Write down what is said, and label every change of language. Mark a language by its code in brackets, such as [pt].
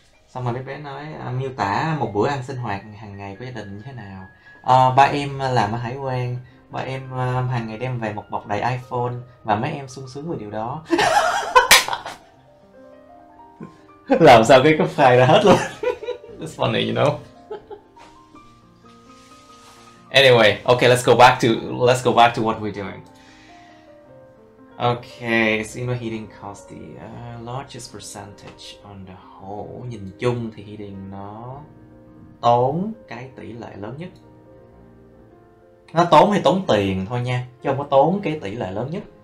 [vi] Xong rồi mấy bé nói miêu tả một bữa ăn sinh hoạt hàng ngày của gia đình như thế nào. Ba em làm ở Hải Quan. Ba em hàng ngày đem về một bọc đầy iPhone. Và mấy em sung sướng với điều đó. Làm sao cái cấp file ra hết luôn. [en] It's funny, you know. Anyway, okay, let's go back to what we're doing. Okay, steam heating costs the largest percentage on the whole. [vi] Nhìn chung thì heating nó tốn cái tỷ lệ lớn nhất. Nó tốn hay tốn tiền thôi nha, chứ không có tốn cái tỷ lệ lớn nhất.